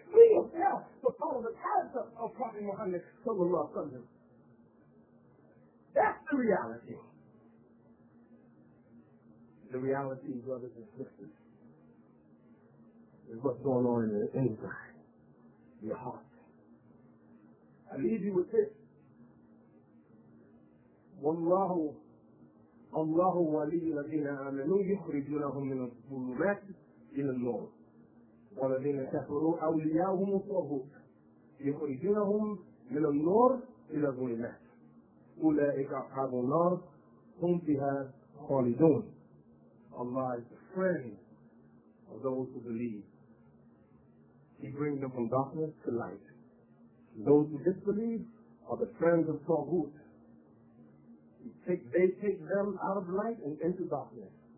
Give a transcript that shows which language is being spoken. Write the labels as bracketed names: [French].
[English] We ourselves to follow the character of Prophet Muhammad sallallahu alaihi wasallam. That's the reality. The reality, brothers and sisters, is what's going on in the inside, your heart. I leave you with this. [Arabic] والله الله ولي الذين آمنوا يخرجونهم من الظلمات إلى النور والذين كفروا أولياؤهم الطاغوت يخرجونهم من النور إلى الظلمات أولئك أصحاب النار هم فيها خالدون. [English] Allah is the friend of those who believe. He brings them from darkness to light. Those who disbelieve are the friends of طاغوت. They take them out of light and into darkness.